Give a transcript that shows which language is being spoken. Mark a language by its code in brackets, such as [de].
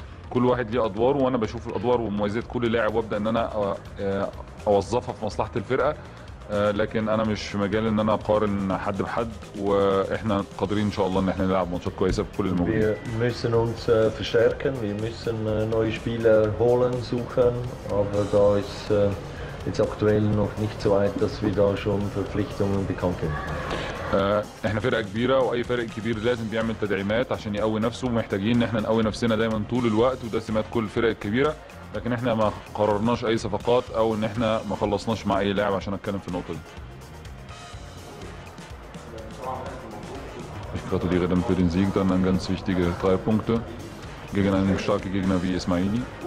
[ar] كل واحد ليه ادواره وانا بشوف الادوار ومميزات كل لاعب وابدا ان انا اوظفها في مصلحه الفرقه لكن انا مش في مجال ان انا اقارن حد بحد واحنا قادرين ان شاء الله ان احنا نلعب ماتشات كويسه في كل الموجودين. [de] Wir müssen uns verstärken, wir müssen neue Spieler holen, suchen, aber da ist jetzt aktuell noch nicht so weit, dass wir da schon Verpflichtungen bekannt geben. [ar] احنا فرقه كبيره واي فريق كبير لازم بيعمل تدعيمات عشان يقوي نفسه ومحتاجين ان احنا نقوي نفسنا دايما طول الوقت وده سمات كل الفرق الكبيره لكن احنا ما قررناش اي صفقات او ان احنا ما خلصناش مع اي لاعب عشان اتكلم في النقطه دي. [de] Ich gratuliere dann für den Sieg dann an ganz wichtige drei Punkte gegen einen starken Gegner wie Ismaili.